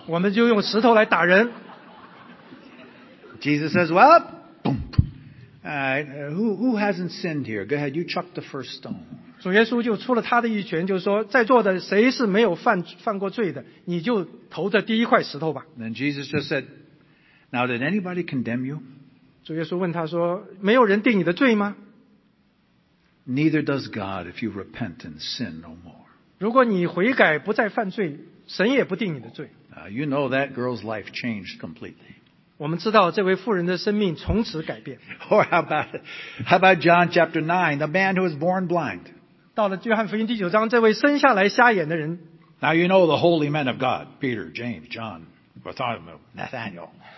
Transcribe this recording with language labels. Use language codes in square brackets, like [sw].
[zh] 我们就用石头来打人。 [en] Jesus says, well, boom, Who hasn't sinned here? Go ahead, you chuck the first stone. [zh] 主耶稣就出了他的一拳，就是说，在座的谁是没有犯过罪的，你就投着第一块石头吧。 [en] Then Jesus just said, "Now did anybody condemn you?" [zh] 主耶稣问他说，没有人定你的罪吗？ [en] Neither does God if you repent and sin no more. [zh] 如果你悔改不再犯罪，神也不定你的罪。 [en] You know that girl's life changed completely. [zh] 我们知道这位妇人的生命从此改变。 [en] Or how about John chapter 9, the man who was born blind? [zh] 到了约翰福音第九章，这位生下来瞎眼的人。 [en] Now you know the holy men of God, Peter, James, John, Bartholomew, Nathaniel.